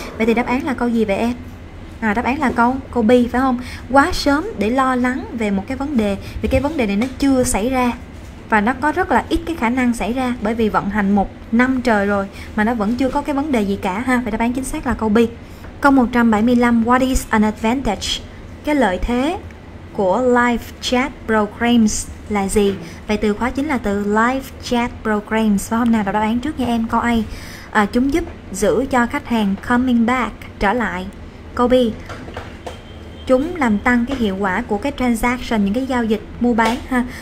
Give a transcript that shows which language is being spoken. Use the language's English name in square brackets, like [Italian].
[Vietnamese] Vậy thì đáp án là câu gì vậy em? Đáp án là câu B, phải không? Quá sớm để lo lắng về một cái vấn đề, vì cái vấn đề này nó chưa xảy ra, và nó có rất là ít cái khả năng xảy ra, bởi vì vận hành 1 năm trời rồi mà nó vẫn chưa có cái vấn đề gì cả ha. Vậy đáp án chính xác là câu B. [English] Câu 175, what is an advantage? [Vietnamese] Cái lợi thế của live chat programs là gì? Vậy từ khóa chính là từ live chat programs. Và hôm nào đọc đáp án trước nha em. Câu A, chúng giúp giữ cho khách hàng [English] coming back, [Vietnamese] trở lại. Câu B, chúng làm tăng cái hiệu quả của cái transaction, những cái giao dịch mua bán ha.